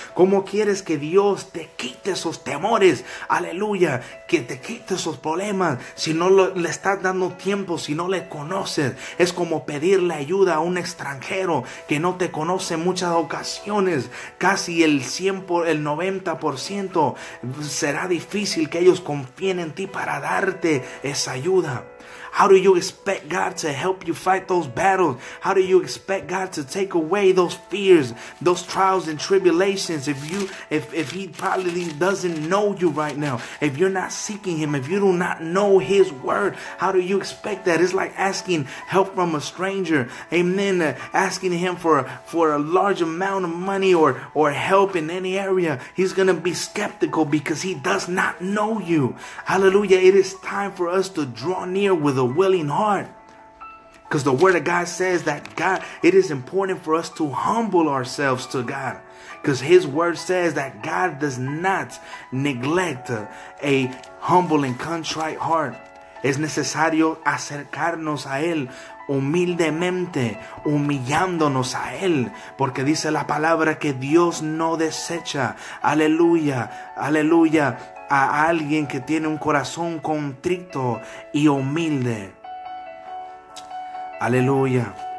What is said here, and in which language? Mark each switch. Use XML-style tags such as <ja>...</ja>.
<es>¿Cómo quieres que Dios te quite esos temores? Aleluya, que te quite esos problemas si no le estás dando tiempo, si no le conoces. Es como pedirle ayuda a un extranjero que no te conoce en muchas ocasiones. Casi el 90% será difícil que ellos confíen en ti para darte esa ayuda.</es> <en>How do you expect God to help you fight those battles? How do you expect God to take away those fears, those trials and tribulations if he probably doesn't know you right now? If you're not seeking him, if you do not know his word, how do you expect that? It's like asking help from a stranger, amen, asking him for a large amount of money or help in any area. He's going to be skeptical because he does not know you. Hallelujah. It is time for us to draw near with a willing heart, because the word of God says that God, it is important for us to humble ourselves to God, because his word says that God does not neglect a humble and contrite heart.</en> <es>Es necesario acercarnos a él humildemente, humillándonos a él, porque dice la palabra que Dios no desecha, aleluya, aleluya, a alguien que tiene un corazón contrito y humilde. Aleluya.</es>